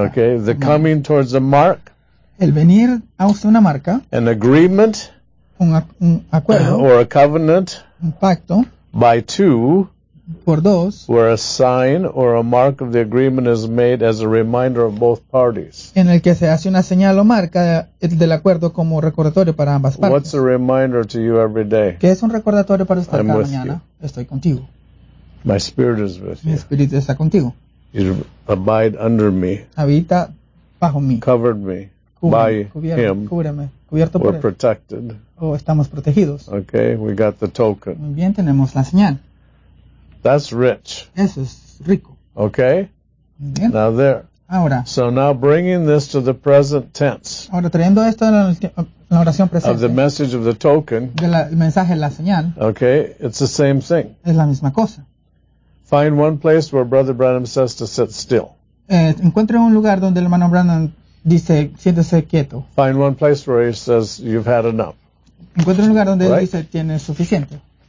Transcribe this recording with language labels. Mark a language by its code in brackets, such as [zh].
[en] Okay, the coming towards a mark. [es] El venir a usted una marca. [en] An agreement. [es] Un acuerdo. [en] Or a covenant. [es] Un pacto. [en] By two. [es] Por dos, [en] where a sign or a mark of the agreement is made as a reminder of both parties. [es] En el que se hace una señal o marca del acuerdo como recordatorio para ambas partes. [en] What's a reminder to you every day? [es] ¿Qué es un recordatorio para usted cada mañana? [en] I'm with you. [es] Estoy contigo. [en] My spirit is with you. [es] Mi espíritu está contigo. [en] You abide under me. [es] Habita bajo mí. [en] Covered me. [es] Cúbreme, [en] by [es] cúbreme, [en] him. [es] Cúbreme. Cubierto [en] we're [es] por él. [en] Protected. [es] O estamos protegidos. [en] Okay, we got the token. [es] Muy bien, tenemos la señal. [en] That's rich. [es] Eso es rico. [en] Okay. [es] Bien. [en] Now there. [es] Ahora. [en] So now bringing this to the present tense. [es] Ahora trayendo esto a la oración presente. [en] Of the message of the token. [es] Del mensaje, la señal. [en] Okay. It's the same thing. [es] Es la misma cosa. [en] Find one place where Brother Branham says to sit still. [es] Encuentre un lugar donde el hermano Branham dice siéntese quieto. [en] Find one place where he says you've had enough. [es] Encuentre un lugar donde él dice tiene suficiente.